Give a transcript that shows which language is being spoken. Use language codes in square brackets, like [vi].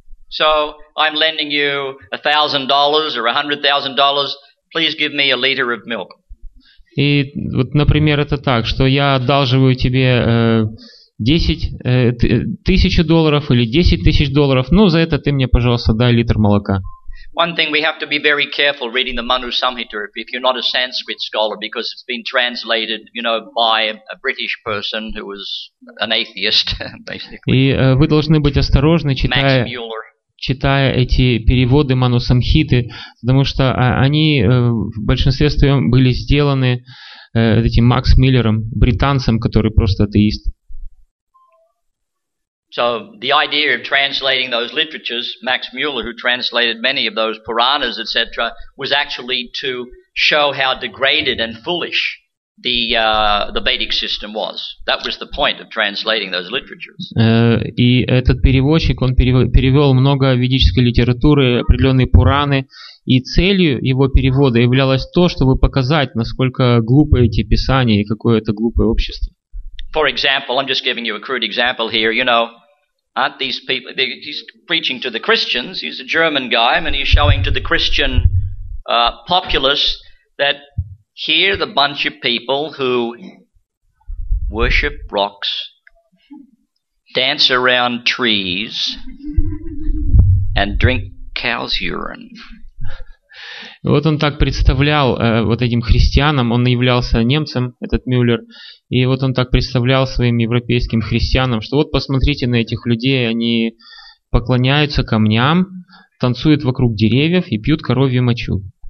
[en] So, I'm lending you $1,000 or $100,000. Please give me a liter of milk. [ru] И вот, например, это так, что я одалживаю тебе $10,000 или $10,000. Ну, за это ты мне, пожалуйста, дай литр молока. [en] One thing, we have to be very careful reading the Manu Samhita if you're not a Sanskrit scholar, because it's been translated, you know, by a British person who was an atheist, basically. [ru] И вы должны быть осторожны, читая эти переводы Manu Samhita, потому что они в большинстве своем были сделаны этим Макс Миллером, британцем, который просто атеист. [en] So the idea of translating those literatures, Max Müller, who translated many of those Puranas, etc., was actually to show how degraded and foolish the Vedic system was. That was the point of translating those literatures. [ru] И этот переводчик, он перевел много ведической литературы, определенные Пураны, и целью его перевода являлось то, чтобы показать, насколько глупы эти писания и какое это глупое общество. [en] For example, I'm just giving you a crude example here, you know, aren't these people, he's preaching to the Christians, he's a German guy, and he's showing to the Christian populace that here the bunch of people who worship rocks, dance around trees, and drink cow's urine. [ru] Вот он так представлял вот этим христианам, он являлся немцем, этот Мюллер, и вот он так представлял своим европейским христианам, что вот посмотрите на этих людей, они поклоняются камням, танцуют вокруг деревьев и пьют коровью мочу.